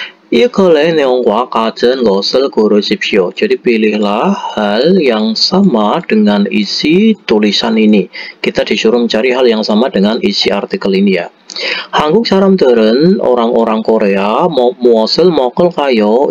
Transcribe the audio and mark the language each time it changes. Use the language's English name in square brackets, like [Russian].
[Korean] 이걸의 내용과 같은 것을 고르십시오. [Indonesian] Jadi pilihlah hal yang sama dengan isi tulisan ini. Kita disuruh mencari hal yang sama dengan isi artikel ini ya. [Korean] 한국 사람들은 [Indonesian] orang-orang Korea [Korean] 무엇을 먹을까요?